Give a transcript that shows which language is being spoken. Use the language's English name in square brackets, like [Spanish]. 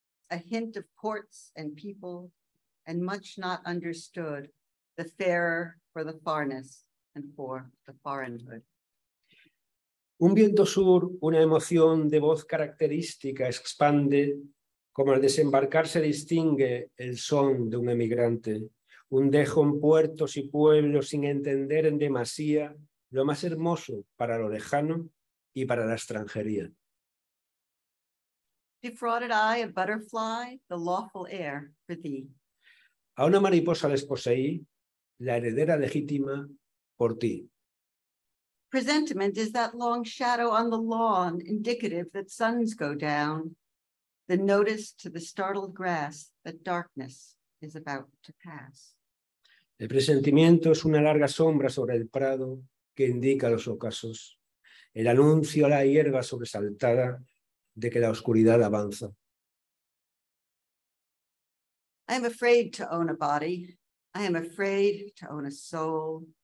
[English] A hint of ports and people, and much not understood, the fairer for the farness and for the foreignhood. [Spanish] Un viento sur, una emoción de voz característica expande, como al desembarcar se distingue el son de un emigrante. Un dejo en puertos y pueblos sin entender en demasía lo más hermoso para lo lejano y para la extranjería. [English] Defrauded eye of butterfly, the lawful heir for thee. [Spanish] A una mariposa desposeí, la heredera legítima por ti. [English] Presentiment is that long shadow on the lawn, indicative that suns go down, the notice to the startled grass that darkness is about to pass. [Spanish] El presentimiento es una larga sombra sobre el prado que indica los ocasos, el anuncio a la hierba sobresaltada de que la oscuridad avanza. [English] I am afraid to own a body. I am afraid to own a soul.